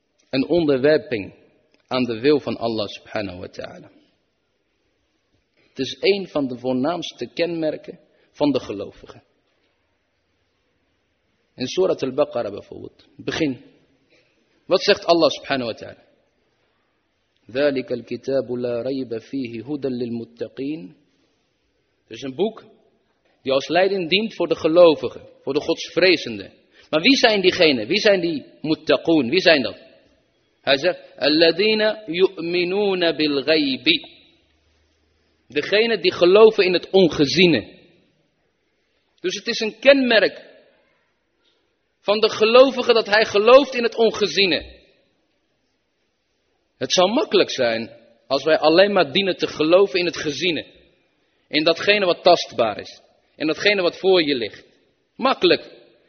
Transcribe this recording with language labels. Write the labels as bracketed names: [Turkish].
[Dutch] Een onderwerping aan de wil van Allah subhanahu wa ta'ala. Het is een van de voornaamste kenmerken van de gelovigen. In Surat al-Baqarah bijvoorbeeld, begin. Wat zegt Allah subhanahu wa ta'ala? [Arabic] ذلك الكتاب لا ريب فيه هدى للمتقين. [Dutch] Het is een boek die als leiding dient voor de gelovigen, voor de godsvrezenden. Maar wie zijn diegenen? Wie zijn die muttaqoon? Wie zijn dat? Hij zegt: [Arabic] الَّذِينَ يُؤْمِنُونَ بِالْغَيْبِ. [Dutch] Degenen die geloven in het ongeziene. Dus het is een kenmerk van de gelovige dat hij gelooft in het ongeziene. Het zou makkelijk zijn als wij alleen maar dienen te geloven in het geziene. In datgene wat tastbaar is. In datgene wat voor je ligt. Makkelijk.